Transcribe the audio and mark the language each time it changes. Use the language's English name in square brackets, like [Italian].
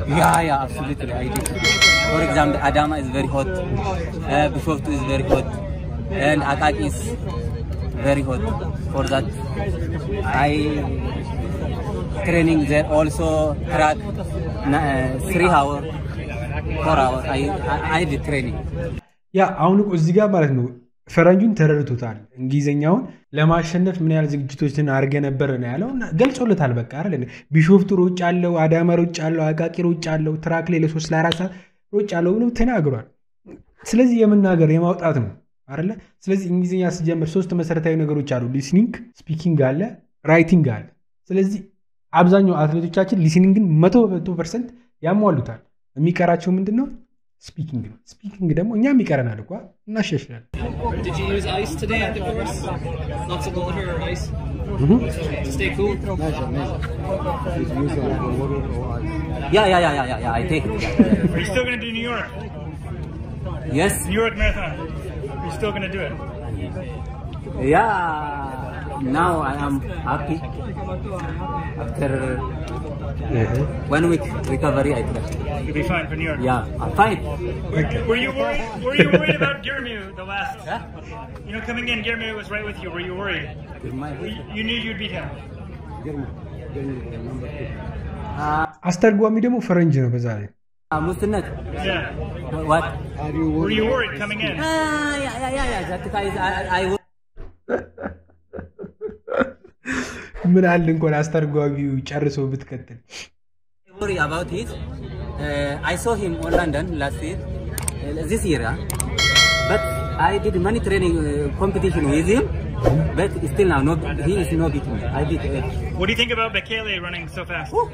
[English] yeah absolutely I did for example Adama is very hot Bufoto is very hot and Akaki is very hot for that I training there also track 3 hours 4 hours I did training [Amharic] yeah አሁን እዚህ ጋር ማለት ነው ፈረንጁን ተረድቶታል እንግሊዘኛውን ለማሸነፍ ምን ያህል ዝግጅቶችን አርገ ነበር ነው ያለው ገልጾለታል በቃ አይደል ቢሾፍቱ ሩጭ አለው አዳማ ሩጭ አለው አቃቂ ሩጭ አለው ትራክ ላይ ለሶስት ለአራሳ ሩጭ አለው ብሎ ተናግሯል ስለዚህ የምናገር የማውጣት ነው አይደል ስለዚህ እንግሊዘኛ ሲጀምር ሶስት መሰረታዊ ነገሮች አሉ ሊስኒንግ ስፒኪንግ አለ ራይቲንግ አለ ስለዚህ አብዛኛው አትሌቶቻችን ሊስኒንግን 100% ያሟሉታል የሚቀራቸው ምንድነው speaking ደግሞ እኛም ይቀርናል እኮ እናሸሽናል [English] did you use ice today at the course lots of water or ice to stay cool did you use water or ice yeah I take are you still going to do new york yes new york marathon are you still going to do it yeah now I am happy after one week recovery I think you'll be fine for New York yeah I'm fine were you worried about Girmu the last you know coming in Girmu was right with you were you worried you knew you'd beat him Girmu the number 2 [Amharic] አስተርጓሚ ደግሞ ፈረንጅ ነው በዛ ላይ አሙስነት [English] yeah what are you worried, were you worried coming in yeah that guy is I [Amharic] ምን አለ እንኳን አስተርጓሚው ጨርሶ ብትከተል [English] worry about it I saw him in London last year this year but I did many training competition with him but still now not he is not beat me I did what do you think about Bekele running so fast